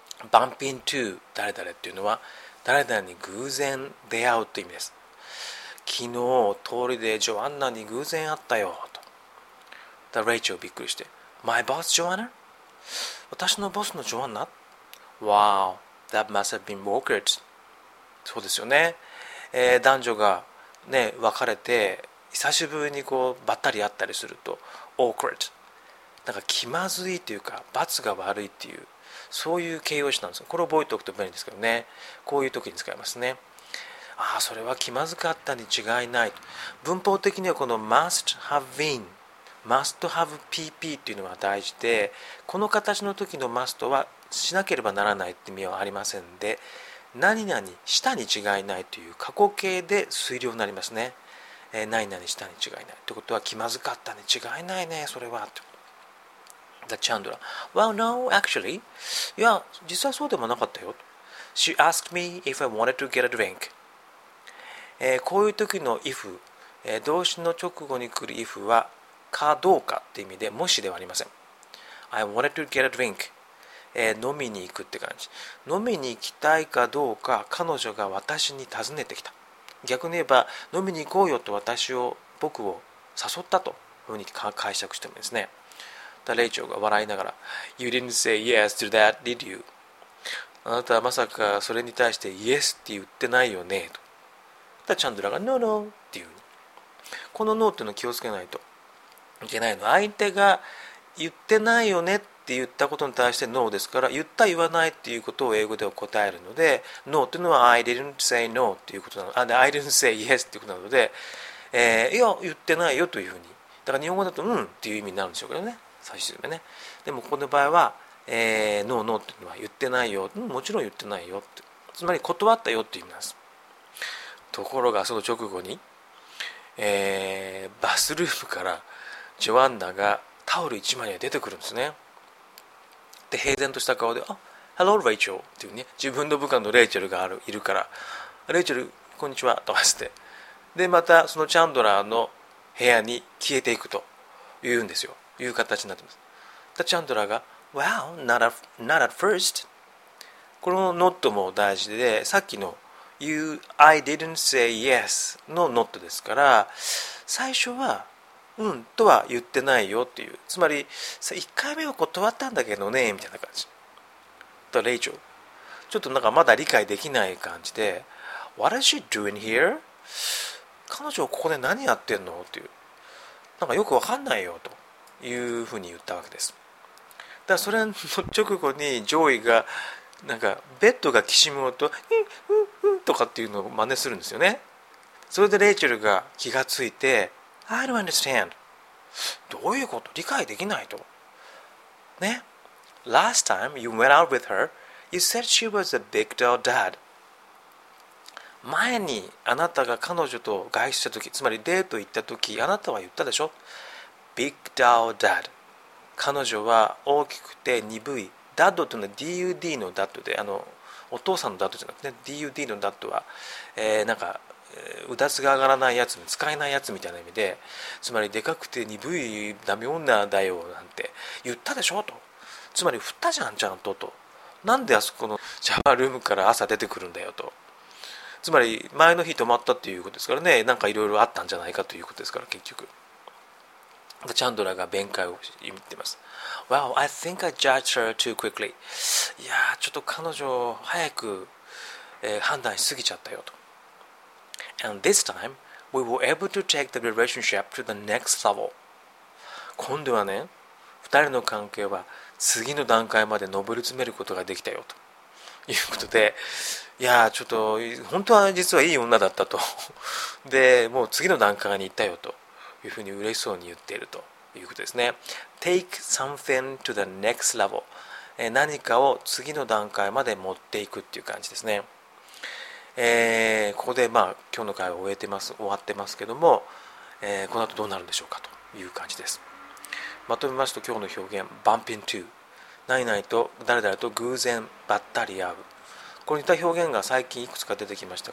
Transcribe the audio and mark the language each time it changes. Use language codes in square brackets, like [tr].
[ja] Bump into 誰々っていうのは誰々に偶然出会うという意味です。昨日通りでジョアンナに偶然会ったよと。だレイチェルびっくりして、 My boss Joanna？私のボスのジョアンナ？ [en] Wow, that must have been awkward。 [ja] そうですよね、男女が、ね、別れて久しぶりにこうばったり会ったりすると awkward、 なんか気まずいというか罰が悪いっていう、そういう形容詞なんです。これを覚えておくと便利ですけどね。こういう時に使いますね。ああ、それは気まずかったに違いない。文法的にはこの must have been、must have pp っていうのが大事で、この形の時の must はしなければならないって意味はありませんで、何々したに違いないという過去形で推量になりますね。何々したに違いない。ということは気まずかったに違いないね、それは。 [en] The Chandra. Well, no, actually. [ja] Yeah, 実はそうでもなかったよ。 [en] She asked me if I wanted to get a drink. [ja] こういう時の if、動詞の直後に来る if は、かどうかって意味で、もしではありません。 [en] I wanted to get a drink.、飲みに行くって感じ。 [ja] 飲みに行きたいかどうか、彼女が私に尋ねてきた。逆に言えば、飲みに行こうよと私を、僕を誘ったというふうに解釈してもいいですね。 [en] レイチェルが笑いながら You didn't say yes to that, did you? [ja] あなたはまさかそれに対して Yes って言ってないよねと。だチャンドラが No, no っていう、この No っていうのを気をつけないといけないの。相手が言ってないよねって言ったことに対して No ですから、言った言わないっていうことを英語では答えるので、 No っていうのは I didn't say no っていうことなので、 I didn't say yes っていうことなので、いや言ってないよというふうに、だから日本語だとうんっていう意味になるんでしょうけどね、最終目ね。でもここの場合は、ノーノーっていうのは言ってないよ、うん、もちろん言ってないよって、つまり断ったよって意味なんです。ところがその直後に、バスルームからジョアンナがタオル一枚で出てくるんですね。で平然とした顔で、あ、Hello Rachel っていうね、自分の部下のレイチェルがあるいるから、レイチェルこんにちはと話して、でまたそのチャンドラーの部屋に消えていくというんですよ、いう形になってます。 [en] でチャンドラーが Wow, not at first。 [ja] この not も大事で、さっきの You, I didn't say yes の not ですから、最初はうんとは言ってないよっていう、つまり1回目は断ったんだけどねみたいな感じ。とレイチェル、ちょっとなんかまだ理解できない感じで、 What is she doing here? 彼女はここで何やってんのっていう、なんかよくわかんないよというふうに言ったわけです。だからそれの直後にジョイがなんかベッドがきしむ音、うんうんとかっていうのを真似するんですよね。それでレイチェルが気がついて、 I don't understand。どういうこと？理解できないと。ね。 [en] Last time you went out with her, you said she was a big doll dad。 [ja] 前にあなたが彼女と外出した時、つまりデート行った時、あなたは言ったでしょ？ Big doll dad。彼女は大きくて鈍い。ダッドというのは DUD のダッドで、あのお父さんのダッドじゃなくて、ね、DUD のダッドは、なんか、うだつが上がらないやつ、使えないやつみたいな意味で、つまりでかくて鈍いダメ女だよなんて言ったでしょと。つまり振ったじゃんちゃんとと。なんであそこのシャワールームから朝出てくるんだよと。つまり前の日泊まったっていうことですからね、なんかいろいろあったんじゃないかということですから、結局。チャンドラが弁解を言っています。 [en] Well, I think I judged her too quickly。 [ja] いやちょっと彼女早く、判断しすぎちゃったよと。 [en] And this time, we were able to take the relationship to the next level. [ja] 今度はね、二人の関係は次の段階まで上り詰めることができたよということで、いやちょっと本当は実はいい女だったと。で、もう次の段階に行ったよというふうに嬉しそうに言っているということですね。 [en] Take something to the next level. [ja] 何かを次の段階まで持っていくっていう感じですね。ここでまあ今日の会話を終えてます、終わってますけども、この後どうなるんでしょうかという感じです。まとめますと今日の表現 Bump into 何々と誰々と偶然ばったり会う、これ似た表現が最近いくつか出てきました。